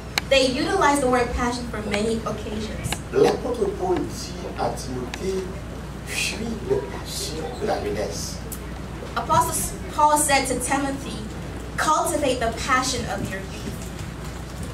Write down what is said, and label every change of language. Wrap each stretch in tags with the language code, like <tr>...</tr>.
<en>They utilize the word passion for many occasions.</en> <fr>L'apôtre Paul dit à Timothée, fuis la passion de la jeunesse.</fr> <en>Apostle Paul said to Timothy, cultivate the passion of your youth.</en>